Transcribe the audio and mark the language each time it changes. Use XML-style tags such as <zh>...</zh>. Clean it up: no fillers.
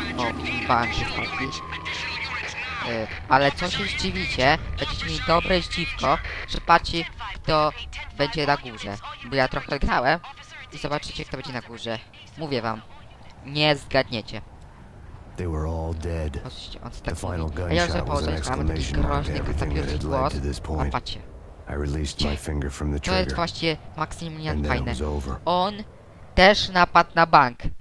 <pl>O, bank wychodzi. Ale co się zdziwicie, będziecie mieli dobre zdziwko, że patrzcie, kto będzie na górze. Bo ja trochę grałem i zobaczycie, kto będzie na górze. Mówię wam, nie zgadniecie.</pl> <en>They were all dead. The final gunshot was an exclamation mark to everything that had led to this point. I released my finger from the trigger.</en> <pl>To jest właśnie Maximilian Payne. On też napadł na bank.</pl>